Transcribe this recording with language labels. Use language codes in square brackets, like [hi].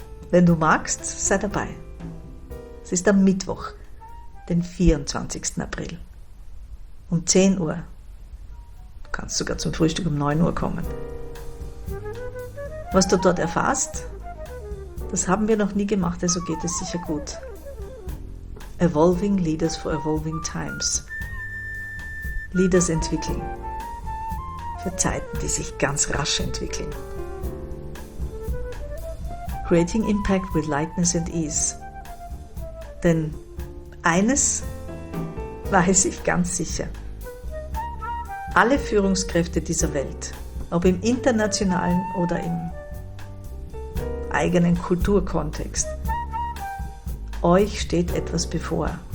[de] Wenn du magst, sei dabei. Es ist am Mittwoch, den 24. April. Um 10 Uhr. Du kannst sogar zum Frühstück um 9 Uhr kommen. Was du dort erfährst, das haben wir noch nie gemacht, also geht es sicher gut. [en] Evolving Leaders for Evolving Times. [de] Leaders entwickeln. Für Zeiten, die sich ganz rasch entwickeln. [en] Creating Impact with Lightness and Ease. [de] Denn eines weiß ich ganz sicher. Alle Führungskräfte dieser Welt, ob im internationalen oder im eigenen Kulturkontext, euch steht etwas bevor.